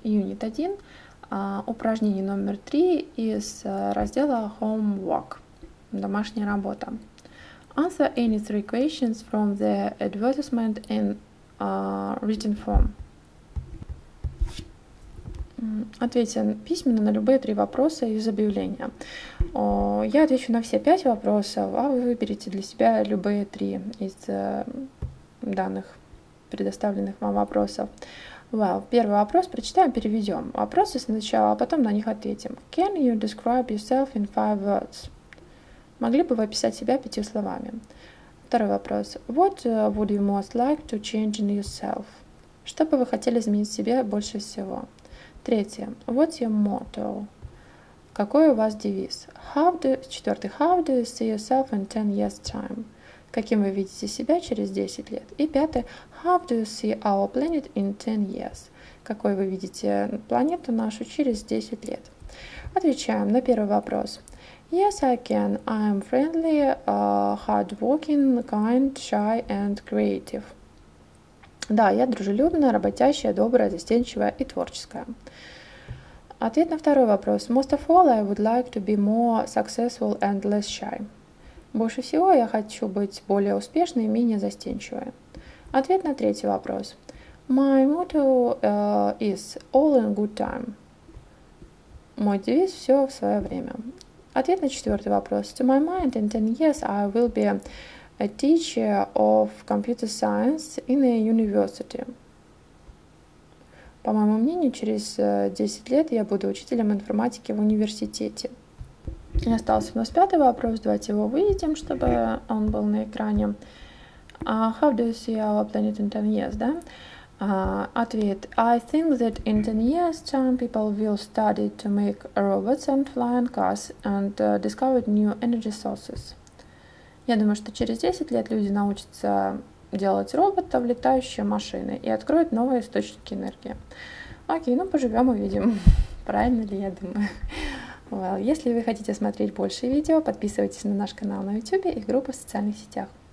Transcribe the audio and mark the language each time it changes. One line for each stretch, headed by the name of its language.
Russian: Юнит 1, упражнение номер 3 из раздела Homework, домашняя работа.
English: Answer any three questions from the advertisement in written form.
Russian: Ответьте письменно на любые три вопроса из объявления. Я отвечу на все 5 вопросов, а вы выберите для себя любые 3 из данных, предоставленных вам вопросов. Well, первый вопрос прочитаем, переведем. Вопросы сначала, а потом на них ответим.
English: Can you describe yourself in 5 words?
Russian: Могли бы вы описать себя 5 словами? Второй вопрос.
English: What would you most like to change in yourself?
Russian: Что бы вы хотели изменить в себе больше всего? Третье.
English: What's your motto?
Russian: Какой у вас девиз?
English: How do you see yourself in 10 years' time?
Russian: Каким вы видите себя через 10 лет? И пятое.
English: How do you see our planet in 10 years?
Russian: Какой вы видите планету нашу через 10 лет? Отвечаем на первый вопрос.
English: Yes, I can. I am friendly, hardworking, kind, shy and creative.
Russian: Да, я дружелюбная, работящая, добрая, застенчивая и творческая. Ответ на второй вопрос.
English: Most of all, I would like to be more successful and less shy.
Russian: Больше всего я хочу быть более успешной и менее застенчивой. Ответ на третий вопрос.
English: My motto is all in good time.
Russian: Мой девиз – все в свое время. Ответ на четвертый вопрос.
English: To my mind, in 10 years I will be a teacher of computer science in a university.
Russian: По моему мнению, через 10 лет я буду учителем информатики в университете. И остался у нас пятый вопрос. Давайте его выведем, чтобы он был на экране.
English: How do you see our planet in 10 years, да?
Russian: Ответ.
English: I think that in 10 years time people will study to make robots and flying cars and discover new energy sources.
Russian: Я думаю, что через 10 лет люди научатся делать роботов, летающие машины, и откроют новые источники энергии. Окей, ну поживем, увидим, правильно ли я думаю. Well, если вы хотите смотреть больше видео, подписывайтесь на наш канал на YouTube и группу в социальных сетях.